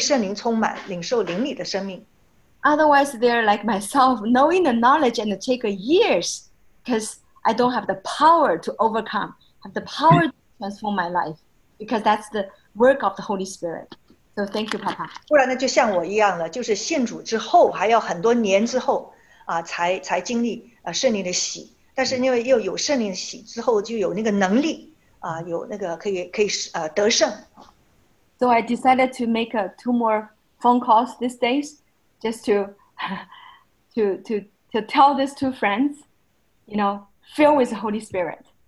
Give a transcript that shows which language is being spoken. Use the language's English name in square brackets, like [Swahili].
[Chinese] 对，我不应该呢是用过去的方式，好像一步一步先觉知信主，慢慢再明白圣灵。就是呢，我要带人信主，因为现在是丰收的季节，我带人信主，当时就要让人来领受圣灵的喜，就被圣灵充满，领受灵里的生命。 [English] Otherwise, they're like myself, knowing the knowledge and take years, because I don't have the power to overcome, have the power to transform my life, because that's the work of the Holy Spirit. So thank you, Papa. [Chinese] 不然呢，就像我一样了，就是信主之后还要很多年之后啊，才经历圣灵的喜。但是因为又有圣灵喜之后，就有那个能力啊，有那个可以得胜。So [English] I decided to make two more phone calls these days, just to tell these two friends, you know, filled with the Holy Spirit.